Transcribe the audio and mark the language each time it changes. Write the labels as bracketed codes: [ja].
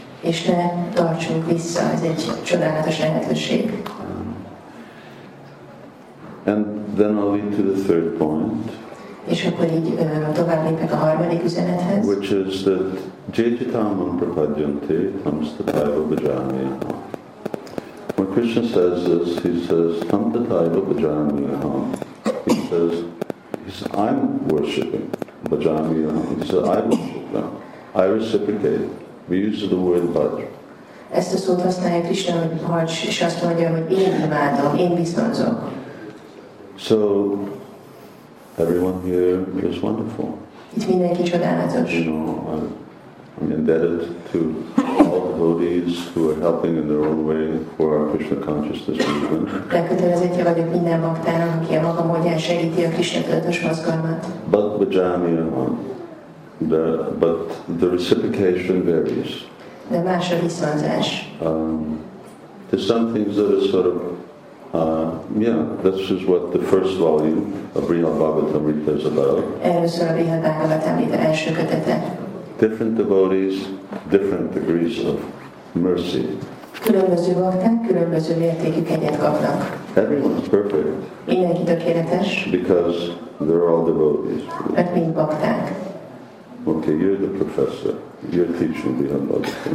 [hu] És ne tartsunk vissza, ez egy csodálatos lehetőség. [en] And then I'll lead to the third point. [hu] És akkor így tovább lépek a harmadik üzenethez. [en] Which is that [sa] jajitamam prapadyante tamstataiva bhajamyaham. [en] When Krishna says this, he says [sa] tamstataiva bhajamyaham. [en] He says, I'm worshipping Bajamiyaham. He said, I worship them. I reciprocate. We use the word Baj. [hu] Ezt a szót használja Krishna, hogy Baj, és azt mondja, hogy én imádom, én viszonzom. [en] So, everyone here is wonderful. [hu] Itt mindenki csodálatos. [en] You know, I'm indebted to all the devotees who are helping in their own way for our Krishna consciousness movement. [hu] Lekötelezettje vagyok minden baktának, aki a maga módján segíti a Krishna tudatos mozgalmat. [en] But Bajamiyaham, but the reciprocation varies. [hu] De más a viszonzás. [en] There's some things that are sort of Yeah, this is what the first volume of Brihad Bhagavatamrita is about. Different devotees, different degrees of mercy. [hu] Különböző volták, különböző mértékű kegyet kapnak. [en] Everyone's perfect. [hu] Mindenki tökéletes. [en] Because they're all devotees. [hu] Mert mind bakták. [en] Okay, you're the professor. You're teaching the Hanbad.